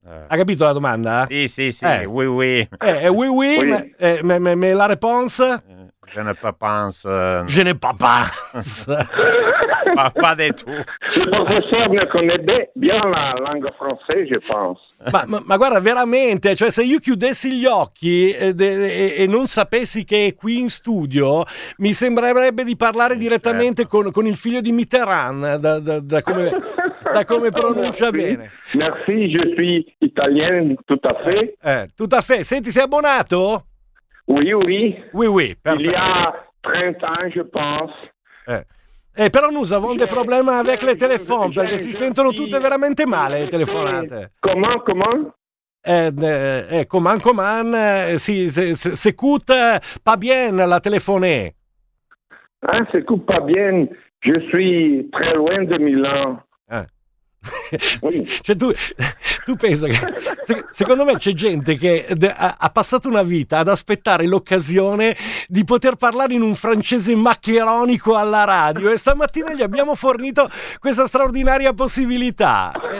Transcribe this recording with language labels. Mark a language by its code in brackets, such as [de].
[it] Ha capito la domanda? Sì, sì, sì, [fr] oui, oui. Oui, oui, mais la réponse? Je ne pas pense. Je ne pas pense. Pas, pas de tout. Le professeur ne connaît bien la langue française, je pense. [it] Ma guarda, veramente, cioè se io chiudessi gli occhi e non sapessi che è qui in studio, mi sembrerebbe di parlare direttamente con il figlio di Mitterrand, da come... Da come pronuncia Bene. [fr] Merci, je suis italien, tout à fait. Tout à fait. [it] Senti, sei abbonato? [fr] Oui, oui. Oui, oui. Il y a 30 ans, je pense. [it] Però [fr] nous avons des problèmes avec les téléphones, [it] perché si sentono tutte veramente male le telefonate. [fr] Comment, comment? Comment, comment? Si, se coûte pas bien la téléphonée. Ah, se coûte pas bien. Je suis très loin de Milan. [it] Cioè tu pensa che secondo me c'è gente che ha passato una vita ad aspettare l'occasione di poter parlare in un francese maccheronico alla radio, e stamattina gli abbiamo fornito questa straordinaria possibilità.